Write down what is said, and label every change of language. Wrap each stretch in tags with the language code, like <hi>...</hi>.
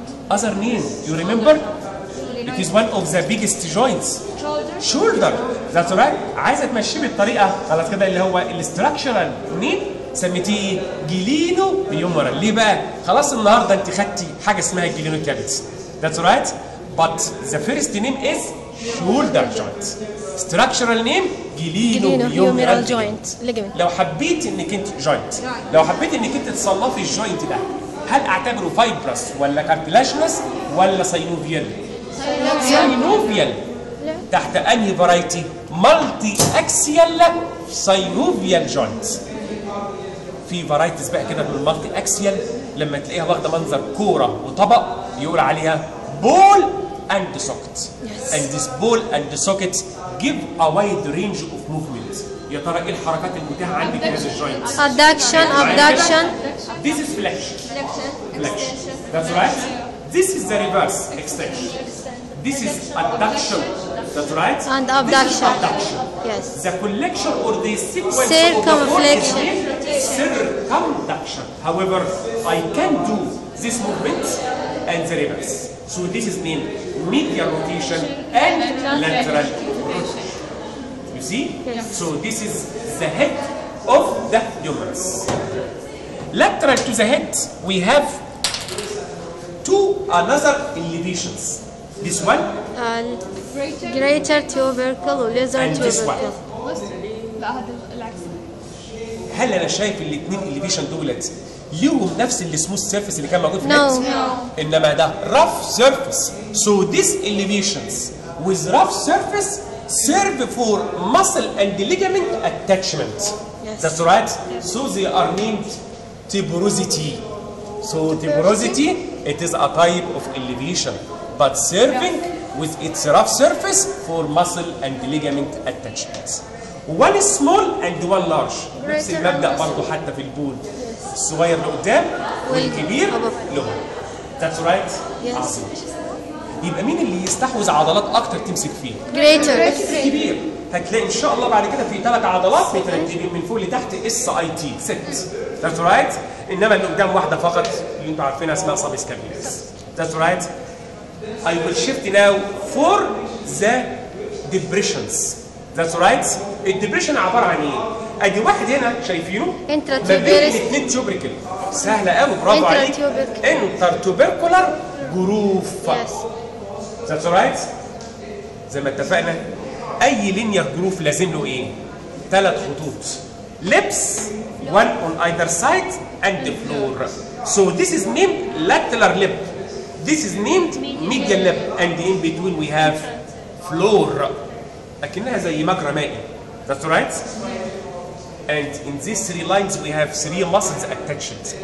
<en>Other name, you remember? It is one of the biggest joints. Shoulder. That's right.</en> <ar>عايزة تمشي بالطريقة خلاص كده اللي هو الاستراكشرال نيم سميتيه جيلينو هيومرال. ليه بقى؟ خلاص النهارده انت خدتي حاجة اسمها جيلينو كابيتس.</ar> <en>That's right. But the first name is shoulder joint. Structural name glenohumeral joint.</en> <ar>لو حبيت انك انت جوينت. لو حبيت انك انت تصنفي الجوينت ده هل اعتبره فايبرس ولا كارتلاشنس ولا ساينوفيال؟ ساينوفيال. تحت انهي فرايتي؟ مالتي اكسيال ساينوفيال جوينت. في فرايتيز بقى كده من المالتي اكسيال لما تلاقيها واخده منظر كوره وطبق يقول عليها بول اند سوكت.</ar> <en>And this bowl and socket give a wide range of movement.</en> <ar>يا ترى ايه الحركات المتاحه عندي في هذا الجوينت؟</ar> <en>Adduction abduction. This is flexion. That's right. This is the reverse extension. This is adduction. That's right. And abduction. Yes. The collection or the sequence of the bone is named circumduction. However, I can do this movement and the reverse. So this is named medial rotation and lateral rotation. You see? Yes. So this is the head of the humerus. Lateral to the head, we have two another elevations. This one and greater tubercle or lesser tubercle. And this one.</en> <ar>هل أنا شايف الاثنين elevation دولت ليهم نفس السموث سيرفيس اللي كان موجود في الاكس؟ إنما ده</ar> <en>rough surface. So these elevations with rough surface serve for muscle and ligament attachment. Yes. That's right. So they are named tuberosity. So tuberosity, it is a type of elevation, but serving with its rough surface for muscle and ligament attachments. One small and one large.</en> <ar>نفس المبدأ برضه حتى في البول. الصغير لقدام والكبير لهم.</ar> <en>That's right. Yes.</en> <ar>يبقى مين اللي يستحوذ عضلات أكتر تمسك فيه؟</ar> <en>Greater.</en> <ar>الكبير. هتلاقي إن شاء الله بعد كده في ثلاث عضلات مترتبين من فوق لتحت اس اي تي 6.</ar> <en>That's right.</en> <ar>إنما اللي قدام واحدة فقط اللي أنتم عارفينها اسمها سابيس كابيلس.</ar> <en>That's right. I will shift now for the depressions. That's right. The depression</en> <ar>عبارة عن إيه؟ أدي واحد هنا شايفينه؟</ar> <en>Intra tubers.</en> <ar>الاثنين تيوبريكل. سهلة قوي برافو عليك. انترا</ar> <en>تيوبيرس. انتر تيوبيركولار جروف. Yes. That's right.</en> <ar>زي ما اتفقنا أي لينير جروف لازم له إيه؟ ثلاث خطوط.</ar> <en>Lips. One on either side and the floor. So this is named lateral lip. This is named medial lip. And in between we have</en> <ar>floor اكنها زي مجرى مائي.</ar> <en>That's right. And in these three lines we have three muscles attached.</en>